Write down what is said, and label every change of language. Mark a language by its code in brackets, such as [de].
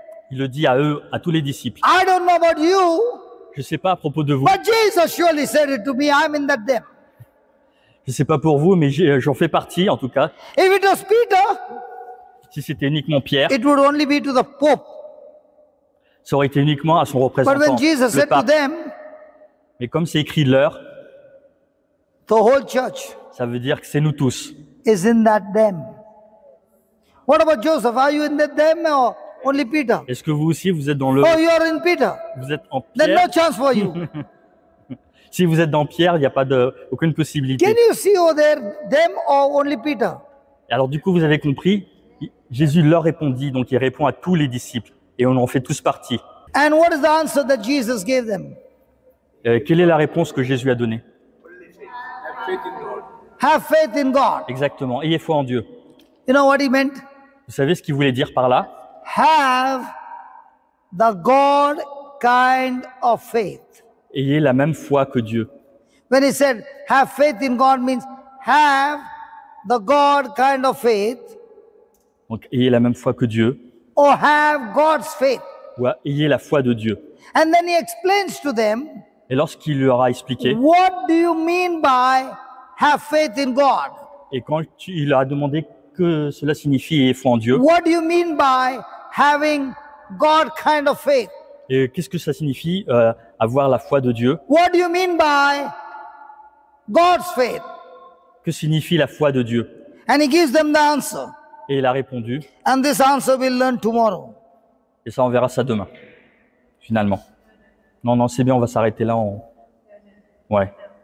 [fr] il le dit à eux, à tous les disciples. [en] I don't know about you, [fr] je ne sais pas à propos de vous. [en] But Jesus surely said it to me, I'm in that them. [fr] Je ne sais pas pour vous, mais j'en fais partie, en tout cas. [en] If it was Peter, [fr] si c'était uniquement Pierre, [en] it would only be to the Pope. [fr] Ça aurait été uniquement à son représentant, [en] but when Jesus [fr] le pape. Mais comme c'est écrit leur, [en] the whole church, [fr] ça veut dire que c'est nous tous. [en] Is in that them? What about Joseph? Are you in that them or only Peter? [fr] Est-ce que vous aussi vous êtes dans le? [en] Oh, you are in Peter. [fr] Vous êtes en Pierre. [en] Then no chance for you. [fr] Si vous êtes dans Pierre, il n'y a aucune possibilité. [en] Can you see over there them or only Peter? [fr] Alors du coup, vous avez compris, Jésus leur répondit, donc il répond à tous les disciples, et on en fait tous partie. [en] And what is the answer that Jesus gave them? [fr] Quelle est la réponse que Jésus a donnée? [en] Have faith in God. [fr] Exactement, ayez foi en Dieu. [en] You know what he meant? [fr] Vous savez ce qu'il voulait dire par là? [en] Have the God kind of faith. [fr] Ayez la même foi que Dieu. [en] When he said, have faith in God means have the God kind of faith. [fr] Donc, ayez la même foi que Dieu. [en] Or have God's faith. [fr] Ou ayez la foi de Dieu. [en] And then he explains to them. [fr] Et lorsqu'il leur a expliqué. [en] What do you mean by have faith in God? [fr] Et quand il leur a demandé que cela signifie ayez foi en Dieu. [en] What do you mean by having God kind of faith? [fr] Et qu'est-ce que ça signifie avoir la foi de Dieu? [en] What do you mean by God's faith? [fr] Que signifie la foi de Dieu? [en] And he gives them the answer. [fr] Et il a répondu. [en] And this answer we'll learn tomorrow. [fr] Et ça, on verra ça demain, finalement. Non, c'est bien, on va s'arrêter là. Ouais.